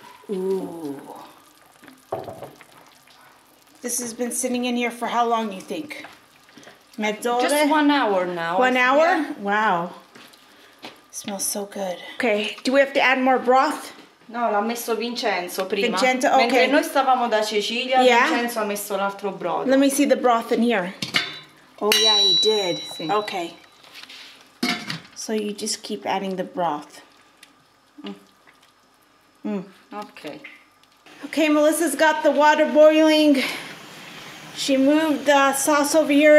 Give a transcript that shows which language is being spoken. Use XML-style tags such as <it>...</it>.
<en>Ooh. This has been sitting in here for how long, you think?</en> <it>Mezz'ora?</it> <en>Just 1 hour now. 1 hour? Yeah. Wow. It smells so good. Okay, do we have to add more broth?</en> <it>No, l'ha messo Vincenzo prima.</it> <en>Vincenzo, okay.</en> <it>Mentre noi stavamo da Cecilia, yeah? Vincenzo ha messo l'altro brodo.</it> <en>Let me see the broth in here. Oh yeah, he did. Sì. Okay. So you just keep adding the broth. Okay. Okay, Melissa's got the water boiling. She moved the sauce over here.</en>